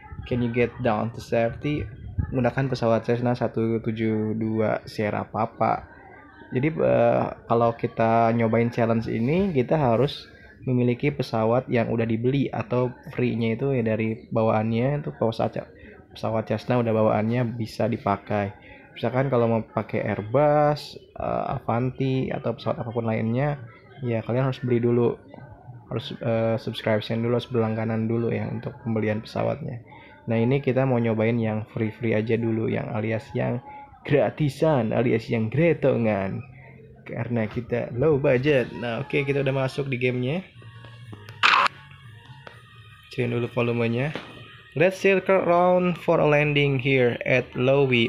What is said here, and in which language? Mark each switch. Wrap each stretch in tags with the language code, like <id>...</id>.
<en>Can you get down to safety?</en> <id>Gunakan pesawat Cessna 172 Sierra Papa. Jadi kalau kita nyobain challenge ini, kita harus memiliki pesawat yang udah dibeli atau free-nya itu ya, dari bawaannya itu pesawat Cessna udah bawaannya bisa dipakai. Misalkan kalau mau pakai Airbus, Avanti atau pesawat apapun lainnya, ya kalian harus beli dulu. Harus subscription dulu, harus berlangganan dulu ya untuk pembelian pesawatnya. Nah, ini kita mau nyobain yang free-free aja dulu, yang alias yang gratisan, alias yang gretongan. Karena kita low budget. Nah, oke, kita udah masuk di gamenya. Cekin dulu volumenya.</id> <en>Let's circle around for a landing here at Lowy.</en>